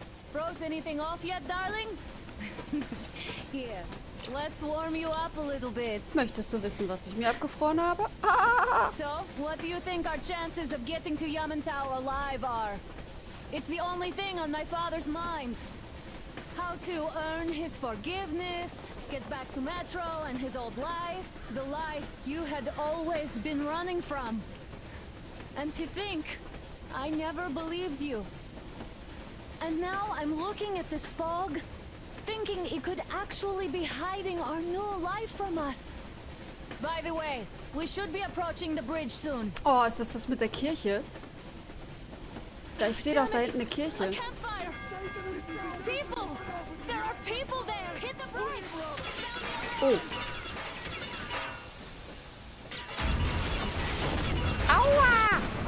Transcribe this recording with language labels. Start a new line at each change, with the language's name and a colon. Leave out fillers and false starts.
English: Froze anything off yet, darling? Here, let's warm you up a little bit.
German: Möchtest du wissen, was ich mir abgefroren habe?
English: So, what do you think our chances of getting to Yamantau alive are? It's the only thing on my father's mind. How to earn his forgiveness, get back to Metro and his old life, the life you had always been running from. And to think, I never believed you. And now I'm looking at this fog, thinking it could actually be hiding our new life from us. By the way, we should be approaching the bridge soon.
German: Oh, ist das das mit der Kirche? Da, ich sehe doch da hinten eine Kirche.
English: A campfire! People! There are people there! Hit the bridge!
German: Oh. Aua!